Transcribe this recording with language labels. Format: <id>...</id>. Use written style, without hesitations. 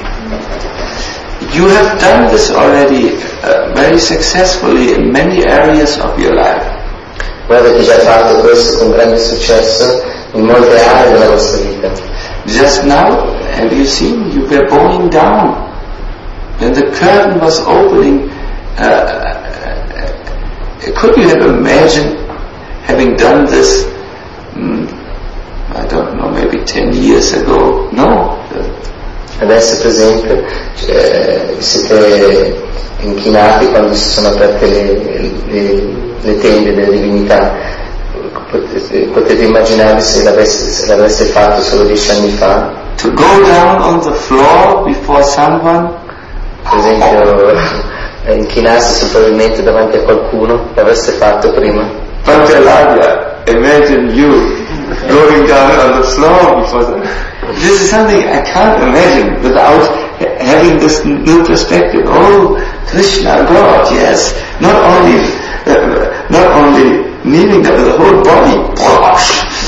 <en>You have done this already very successfully in many areas of your life.</en> <it>Voi avete già fatto questo con grande successo in molte aree della vostra vita.</it> <en>Just now, have you seen? You were bowing down. And the curtain was opening. Could you have imagined having done this? I don't know, maybe 10 years ago. No.</en> <it>Adesso per esempio, cioè, siete inchinati quando si sono aperte le tende delle divinità. Potete immaginare se l'aveste fatto solo 10 anni fa.</it> <en>To go down on the floor before someone,</en> <it>per esempio, inchinarsi sul pavimento davanti a qualcuno, l'aveste fatto prima? Tante l'aria,</it> <en>imagine you going down on the floor before them. This is something I can't imagine without having this new perspective. Oh, Krishna, God, yes. Not only kneeling, but the whole body. Gosh.</en>